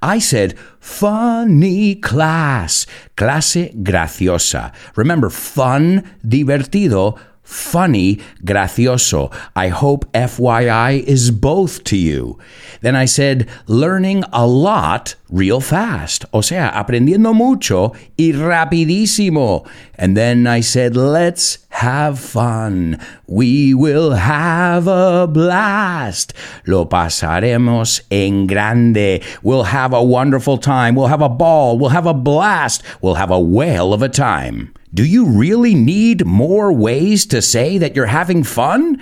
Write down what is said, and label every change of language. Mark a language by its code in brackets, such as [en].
[en] I said funny class, [es] clase graciosa. [en] Remember, fun, divertido, funny, gracioso. I hope FYI is both to you. Then I said, learning a lot real fast. [es] O sea, aprendiendo mucho y rapidísimo. [en] And then I said, let's have fun. We will have a blast. [es] Lo pasaremos en grande. [en] We'll have a wonderful time. We'll have a ball. We'll have a blast. We'll have a whale of a time. Do you really need more ways to say that you're having fun?